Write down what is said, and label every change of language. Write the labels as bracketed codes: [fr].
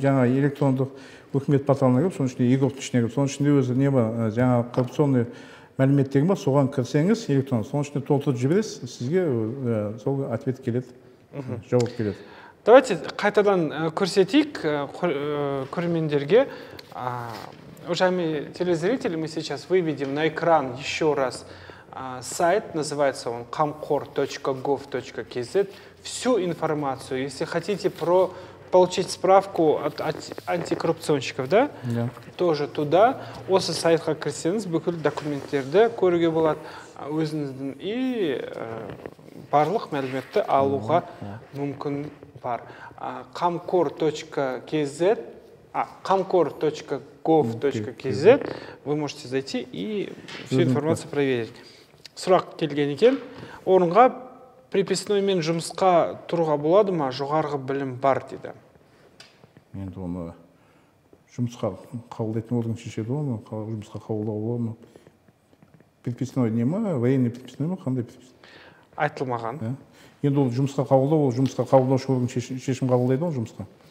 [kk] Жаңа электрондық үкімет порталына кіріп, соның ішінде егіптің ішіне кіріп, соның ішінде өзі не бар, жаңағы коррупционный мәлімет деген бар, соған кірсеңіз электронды, соның ішінде толтырып жібересіз, сізге сол ответ келеді, жауап келеді. Давайте қайтадан көрсетейік көрермендерге. [ru] Уважаемые телезрители, мы сейчас выведем на экран еще раз сайт, называется он kamkor.gov.kz. Всю информацию, если хотите про получить справку от антикоррупционщиков, да? Да. Тоже туда. [kk] Осы сайтқа кірсеңіз, бүкіл документтерді көруге болады. Өзіңіздің и барлық мәліметті алуға мүмкін бар. Қамқор.кз [ru] kamkor.gov.kz, вы можете зайти и всю информацию проверить. [kk] Сурак келген екен, орынға приписной мен жұмысқа тұруға болады ма, жоғарғы білім бар деді. Мен оны жұмысқа қабылдайтын орын шешеді оны, жұмысқа қабылдау болады ма. Приписной не ма, военный приписной ма, қандай приписной? Айтылмаған. Енді ол жұмысқа қабылдау, ол жұмысқа қабылдаушы орын шешім қабылдайды ол жұмысқа.